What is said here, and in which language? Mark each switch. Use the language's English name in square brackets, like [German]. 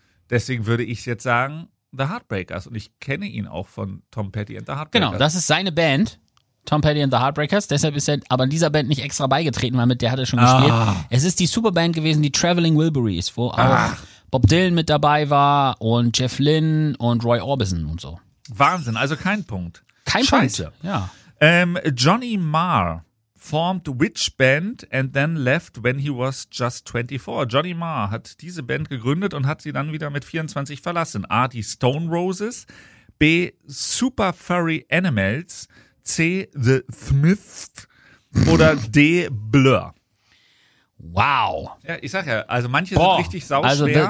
[German] Deswegen würde ich jetzt sagen, the Heartbreakers. Und ich kenne ihn auch von Tom Petty and the Heartbreakers. Genau, das ist seine Band, Tom Petty and the Heartbreakers. Deshalb ist er aber dieser Band nicht extra beigetreten, weil mit der hat er schon gespielt. Es ist die Superband gewesen, die Traveling Wilburys, wo auch Bob Dylan mit dabei war und Jeff Lynne und Roy Orbison und so. Wahnsinn, also kein Punkt. Kein Punkt, ja. [English] Johnny Marr formed which band and then left when he was just 24? [German] Johnny Marr hat diese Band gegründet und hat sie dann wieder mit 24 verlassen. A, die Stone Roses, B, Super Furry Animals, C, The Smiths oder D, Blur. Wow. Ja, ich sag ja, also manche sind richtig sauschwer.